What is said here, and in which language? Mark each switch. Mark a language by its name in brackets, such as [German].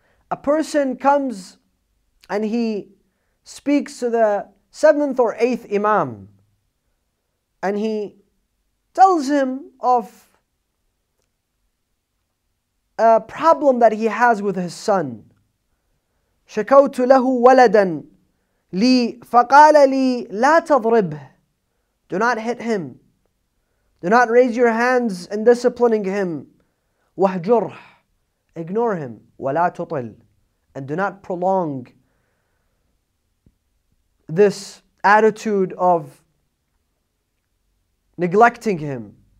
[English] A person comes and he speaks to the seventh or eighth imam, and he tells him of a problem that he has with his son. [Arabic] شكوت له ولدا لي فقال لي لا تضرب. [English] Do not hit him. Do not raise your hands in disciplining him. [Arabic] وهجره. [English] Ignore him. [Arabic] ولا تطل. [English] And do not prolong this attitude of neglecting him.